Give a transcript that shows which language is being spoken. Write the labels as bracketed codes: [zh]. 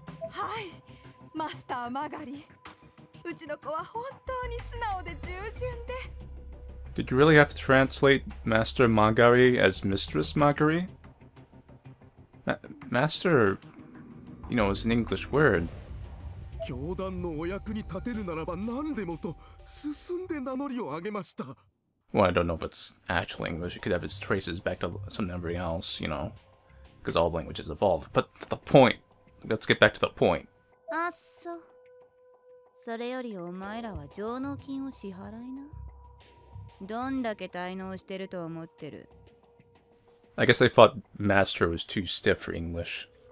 [ja] はい、マスターマガリ。うちの子は本当に素直で従順で。 [en] Did you really have to translate Master Magari as Mistress Magari? Master, you know, is an English word. [ja] 教団のお役に立てるならば何でもと進んで名乗りを上げました。 [en] Well, I don't know if it's actual English. It could have its traces back to something else, you know, because all languages evolve. But the point. Let's get back to the point. Ah, so. [ja] それよりお前らは上納金を支払いな。どんだけ滞納してると思ってる。 [en] I guess they thought Master was too stiff for English.